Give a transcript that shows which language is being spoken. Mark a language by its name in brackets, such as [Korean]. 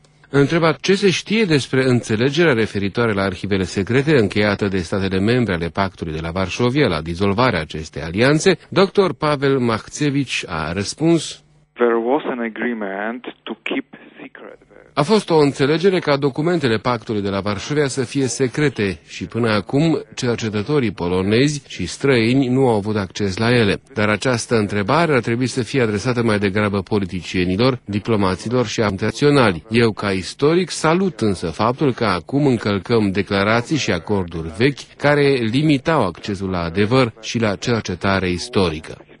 [Romanian] Întrebat ce se știe despre înțelegerea referitoare la arhivele secrete încheiată de statele membre ale pactului de la Varșovia la dizolvarea acestei alianțe, Dr. Paweł Machcewicz a răspuns: [English] There was an agreement to keep secret. [Romanian] A fost o înțelegere ca documentele pactului de la Varșovia să fie secrete și până acum cercetătorii polonezi și străini nu au avut acces la ele. Dar această întrebare ar trebui să fie adresată mai degrabă politicienilor, diplomaților și internaționali. Eu, ca istoric, salut însă faptul că acum încălcăm declarații și acorduri vechi care limitau accesul la adevăr și la cercetare istorică.